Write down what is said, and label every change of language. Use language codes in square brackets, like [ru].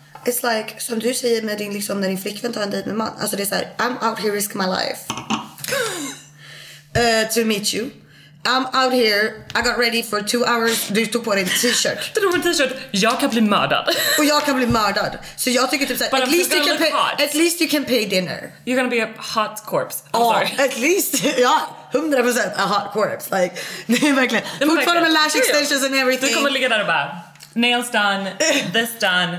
[en] It's like, [sv] som du säger med din, liksom, när din flickvän tar en dejt med man. Alltså det är såhär, [en] I'm out here risking my life to meet you. I'm out here, I got ready for 2 hours. [sv] Du tog på dig en t-shirt. Du tog på en t-shirt, jag kan bli mördad. Och jag kan bli mördad. Så jag tycker typ såhär, [en] at least you can pay dinner. You're gonna be a hot corpse. I'm sorry. At least, [sv] ja, [en] 100% a hot corpse. Like, [sv] det är verkligen, fortfarande med [en] lash extensions and everything. [sv] Du kommer ligga där och bara, [en] nails done, this done.